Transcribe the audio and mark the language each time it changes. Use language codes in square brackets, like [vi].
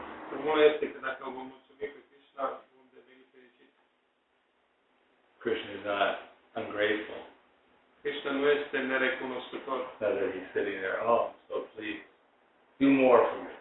[ro] Primul este că dacă vă mulțumim pe Krishna, vom deveni fericit. [en] Krishna is not ungrateful. [ro] Krishna nu este nerecunoscător. [en] That he's sitting there, oh, so please, do more for me.